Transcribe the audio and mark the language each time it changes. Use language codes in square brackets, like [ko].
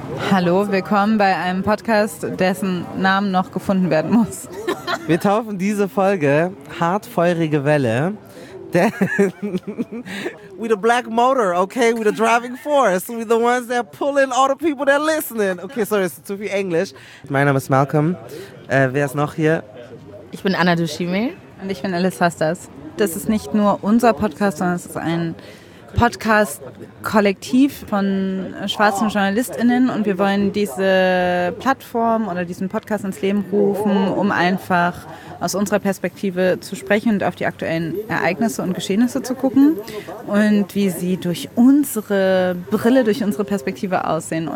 [de] Hallo, willkommen bei einem Podcast, dessen Namen noch gefunden werden muss. Wir taufen diese Folge Hartfeurige Welle. [en] We the black motor, okay? We the driving force. We the ones that pulling all the people that listening. [de] Okay, sorry, ist zu viel Englisch. Mein Name ist Malcolm. Wer ist noch hier? Ich bin Anna Dushime. Und ich bin Alice Hastas. Das ist nicht nur unser Podcast, sondern es ist ein Podcast-Kollektiv von schwarzen JournalistInnen und wir wollen diese Plattform oder diesen Podcast ins Leben rufen, um einfach aus unserer Perspektive zu sprechen und auf die aktuellen Ereignisse und Geschehnisse zu gucken und wie sie durch unsere Brille, durch unsere Perspektive aussehen.